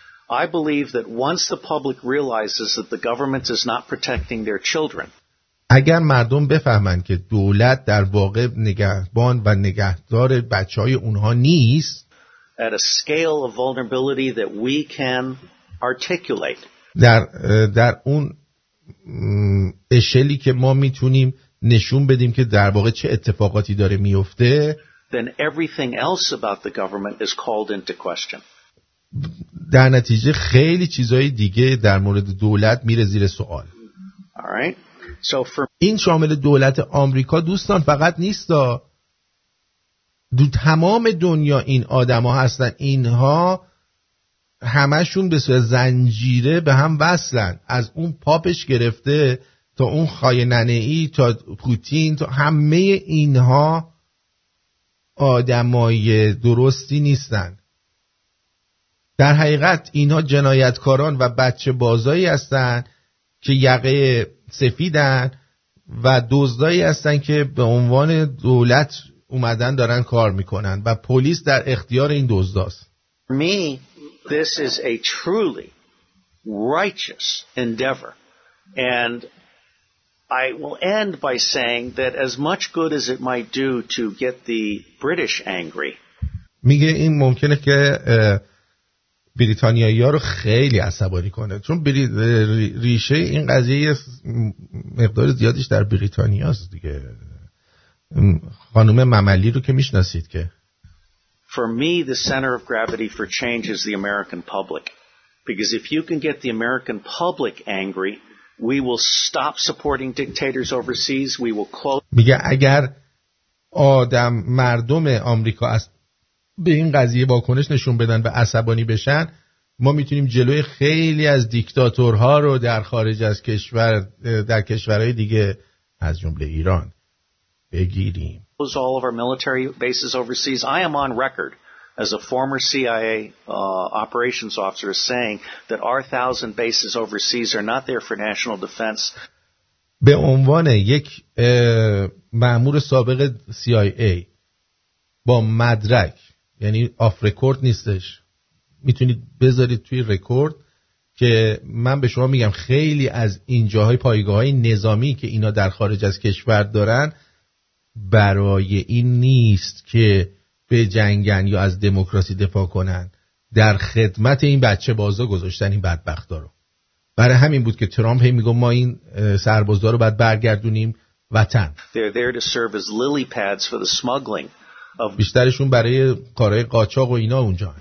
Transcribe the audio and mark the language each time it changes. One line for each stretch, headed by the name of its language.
English: I believe that once the public realizes that the government is not protecting their children.
Persian: اگر مردم بفهمند که دولت در واقع نگهبان و نگهدار بچه‌های اونها نیست،
English: at a scale of vulnerability that we can articulate.
Persian: در اون اشلی که ما میتونیم نشون بدیم که در واقع چه اتفاقاتی داره میفته،
English: then everything else about the government is called into question.
Persian: در نتیجه خیلی چیزهای دیگه در مورد دولت میره زیر سوال.
English: All right. So for
Persian: این شامل دولت آمریکا دوستان فقط نیست، دو تمام دنیا این آدما هستن، اینها همشون به صورت زنجیره به هم وصلن، از اون پاپش گرفته تا اون خائن‌نه ای تا پوتین، تا همه اینها آدمای درستی نیستن. در حقیقت اینها جنایتکاران و بچه بازایی هستن که یقه سفیدن و دزدایی هستن که به عنوان دولت اومدن دارن کار میکنن و پلیس در اختیار این دزداست.
English: Me, this is a truly righteous endeavor, and I will end by saying that as much good as it might do to get the British angry.
Persian: میگه این ممکنه که بریتانیایی‌ها رو خیلی عصبانی کنه، چون ریشه این قضیه مقدار زیادیش در بریتانیاست دیگه. خانم مملی رو که میشناسید که.
English: For me, the center of gravity for change is the American public, because if you can get the American public angry, we will stop supporting dictators overseas. We will close.
Persian: میگه اگر آدم مردم آمریکا از به این قضیه واکنش نشون بدن و عصبانی بشن، ما میتونیم جلوی خیلی از دیکتاتورها رو در خارج از کشور، در کشورهای دیگه از جمله ایران، بگیریم.
English: Close all of our military bases overseas. I am on record as a former CIA operations officer saying that our 1,000 bases overseas are not there for national defense.
Persian: به عنوان یک مأمور سابق CIA با مدرک، یعنی آف رکورد نیستش، میتونید بذارید توی رکورد که من به شما میگم خیلی از این جاهای پایگاه‌های نظامی که اینا در خارج از کشور دارن برای این نیست که به جنگن یا از دموکراسی دفاع کنن، در خدمت این بچه بازا گذاشتن این بدبختا رو. برای همین بود که ترامپ هی میگه ما این سربازا رو باید برگردونیم وطن.
English: They're there to serve as lily pads for the smuggling of
Persian: بیشترشون برای کارهای قاچاق و اینا اونجا هن.